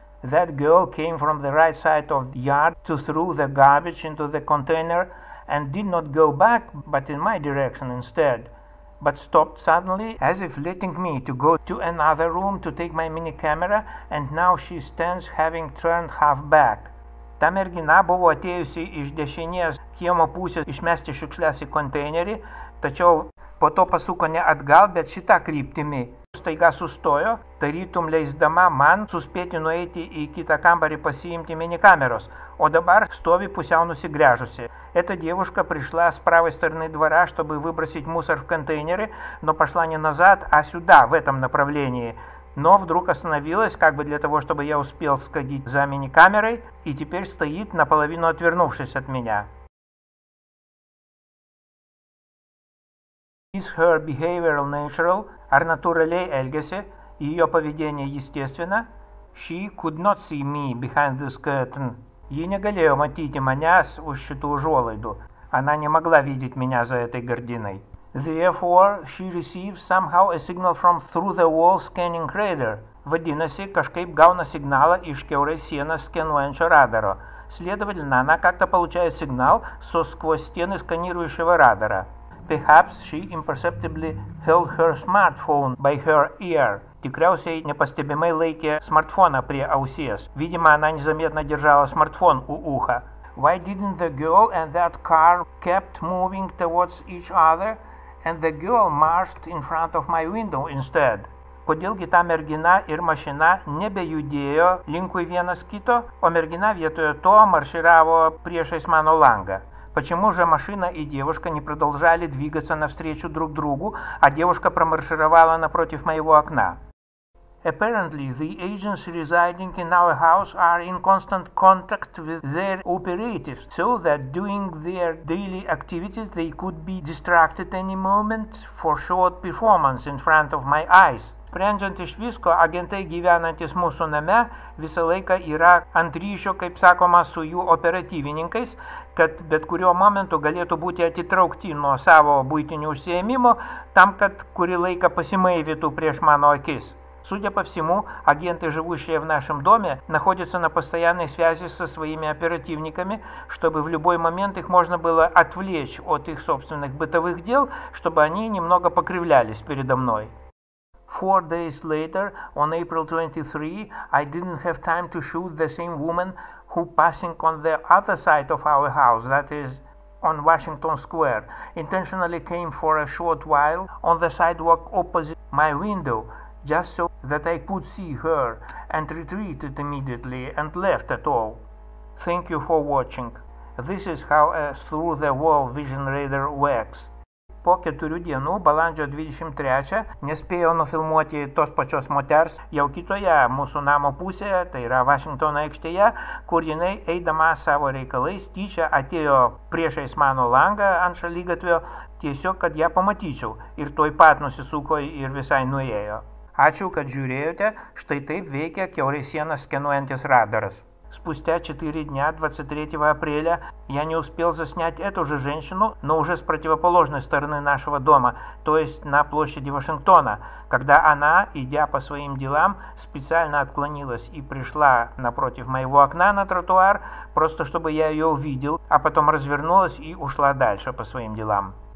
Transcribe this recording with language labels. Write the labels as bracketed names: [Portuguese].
[English] That girl came from the right side of the yard to throw the garbage into the container and did not go back, but in my direction instead, but stopped suddenly as if letting me to go to another room to take my mini camera, and now she stands having turned half back. [Lithuanian] Ta mergina buvo atėjusi iš dešinės kiemo pusės išmesti šiukšlės į konteinerį, tačiau po to pasuko ne atgal, bet šitą kryptimį. Staiga sustojo, tarytum leisdama man suspėti nueiti į kitą kambarį pasiimti mini kameros, o dabar stovi pusiau nusigrėžusi. [Russian] Эта девушка пришла с правой стороны двора, чтобы выбросить мусор в контейнеры, но пошла не назад, а сюда, в этом направлении. Но вдруг остановилась, как бы для того, чтобы я успел сходить за мини-камерой, и теперь стоит, наполовину отвернувшись от меня. [English] Is her behavior natural? [Lithuanian] Ar natūraliai elgiasi? [Russian] Ее поведение естественно? [English] She could not see me behind this curtain. [Lithuanian] Ji negalėjo matyti manęs už šitų užuolaidų. [Russian] Она не могла видеть меня за этой гординой. [English] Therefore, she received somehow a signal from through the wall scanning radar. [Lithuanian] Vadinasi, kažkaip gauna signalą iš kiaurai sienos skenuojančio radaro. [Russian] Следовательно, она как-то получает сигнал со сквозь стены сканирующего радара. [English] Perhaps she imperceptibly held her smartphone by her ear. [Lithuanian] Tikriausiai nepastebimai laikė smartfoną prie ausies. [Russian] Видимо, она незаметно держала смартфон у уха. [English] Why didn't the girl and that car kept moving towards each other and the girl marched in front of my window instead? [Lithuanian] Kodėlgi ta mergina ir mašina nebejudėjo linkui vienas kito, o mergina vietoje to marširavo priešais mano langą? [Russian] Почему же машина и девушка не продолжали двигаться навстречу друг другу, а девушка промаршировала напротив моего окна? [English] Apparently, the agents residing in our house are in constant contact with their operatives, so that during their daily activities they could be distracted any moment for short performance in front of my eyes. [Lithuanian] Sprendžiant iš visko, agentai gyvenantys mūsų name visą laiką yra ant ryšio, kaip sakoma, su jų operatyvininkais, kad bet kuriuo momentu galėtų būti atitraukti nuo savo būtinių užsiėmimų, tam, kad kurį laiką pasimaivytų prieš mano akis. [Russian] Судя по всему, агенты, живущие в нашем доме, находятся на постоянной связи со своими оперативниками, чтобы в любой момент их можно было отвлечь от их собственных бытовых дел, чтобы они немного покривлялись передо мной. [English] 4 days later, on April 23, I didn't have time to shoot the same woman who passing on the other side of our house, that is, on Washington Square, intentionally came for a short while on the sidewalk opposite my window, just so that I could see her, and retreated immediately and left at all. Thank you for watching. This is how a through-the-wall vision radar works. [Lithuanian] Po 4 dienų, balandžio 23, nespėjau nufilmuoti tos pačios moters jau kitoje mūsų namo pusėje, tai yra Vašingtono aikštėje, kur jinai, eidama savo reikalais, tyčia atėjo priešais mano langą ant šaligatvio, tiesiog, kad ją pamatyčiau, ir toj pat nusisuko ir visai nuėjo. Ačiū, kad žiūrėjote, štai taip veikia kiaurai sienas skenuojantis radaras. [Russian] Спустя 4 дня, 23 апреля, я не успел заснять эту же женщину, но уже с противоположной стороны нашего дома, то есть на площади Вашингтона, когда она, идя по своим делам, специально отклонилась и пришла напротив моего окна на тротуар, просто чтобы я ее увидел, а потом развернулась и ушла дальше по своим делам.